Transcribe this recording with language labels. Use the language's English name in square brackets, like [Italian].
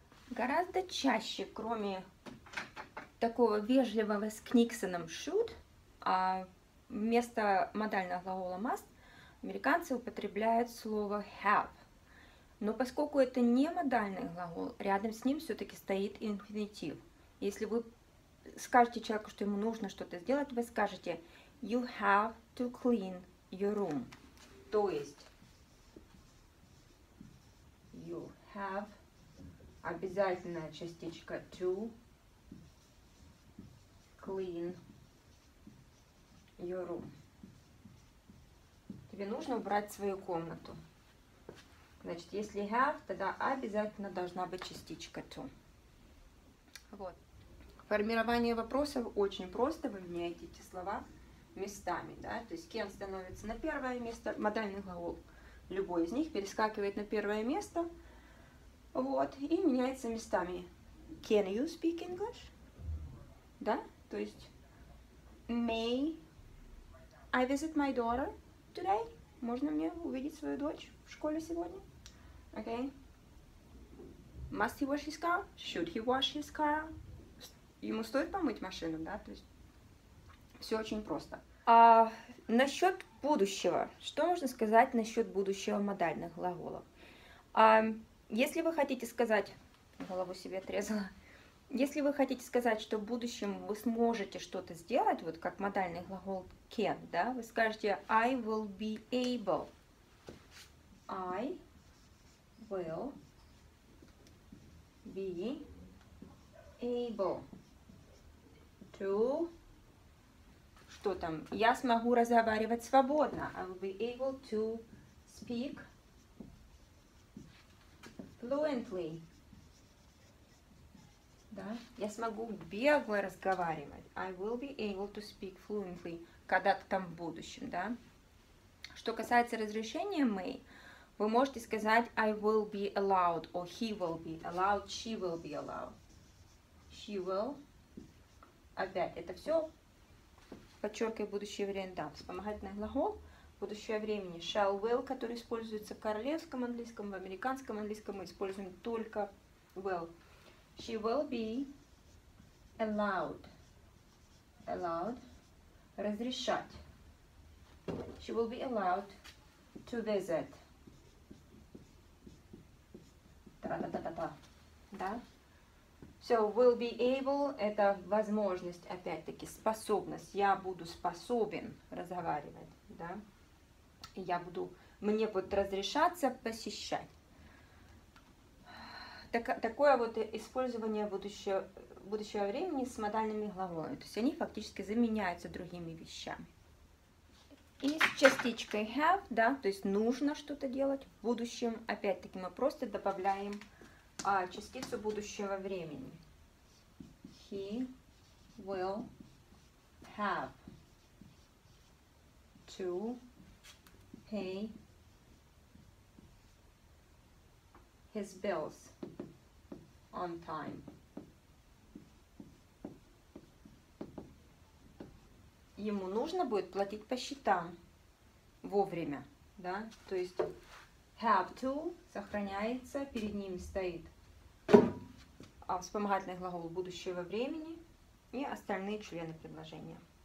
[Russian] Гораздо чаще, кроме такого вежливого с Книксоном should, а вместо модального глагола must, американцы употребляют слово have. Но поскольку это не модальный глагол, рядом с ним все-таки стоит инфинитив. Если вы скажете человеку, что ему нужно что-то сделать, вы скажете you have to clean your room. То есть you have обязательная частичка to clean your room. Тебе нужно убрать свою комнату. Значит, если have, тогда обязательно должна быть частичка to. Вот. Формирование вопросов очень просто. Вы меняете эти слова местами. Да? То есть can становится на первое место, модальный глагол. Любой из них перескакивает на первое место. Вот, и меняется местами. Can you speak English? Да? То есть [English] May I visit my daughter today? [Russian] Можно мне увидеть свою дочь в школе сегодня? [English] Okay. Must he wash his car? Should he wash his car? [Russian] Ему стоит помыть машину, да? То есть все очень просто. А насчет будущего. Что можно сказать насчет будущего модальных глаголов? Если вы хотите сказать... Голову себе отрезала. Если вы хотите сказать, что в будущем вы сможете что-то сделать, вот как модальный глагол can, да, вы скажете I will be able. [English] I will be able to... Что там? [Russian] Я смогу разговаривать свободно. [English] I will be able to speak fluently. [Russian] Да? Я смогу бегло разговаривать. [English] I will be able to speak fluently. [Russian] Когда-то там в будущем, да? Что касается разрешения may, вы можете сказать I will be allowed, or he will be allowed, she will be allowed. [English] She will. [Russian] Опять, это все подчеркивает будущее время, да, вспомогательный глагол. Будущее времени shall, will, который используется в королевском английском, в американском английском мы используем только will. [English] She will be allowed. Allowed. Разрешать. She will be allowed to visit. [Russian] Та-та-та-та-та. Да? So, will be able – это возможность, опять-таки, способность. Я буду способен разговаривать, да? Я буду, мне будет разрешаться посещать. Такое вот использование будущего времени с модальными глаголами. То есть они фактически заменяются другими вещами. И с частичкой have, да, то есть нужно что-то делать в будущем. Опять-таки мы просто добавляем частицу будущего времени. [English] He will have to pay his bills on time. [Russian] Ему нужно будет платить по счетам вовремя, да? То есть have to сохраняется, перед ним стоит вспомогательный глагол будущего времени и остальные члены предложения.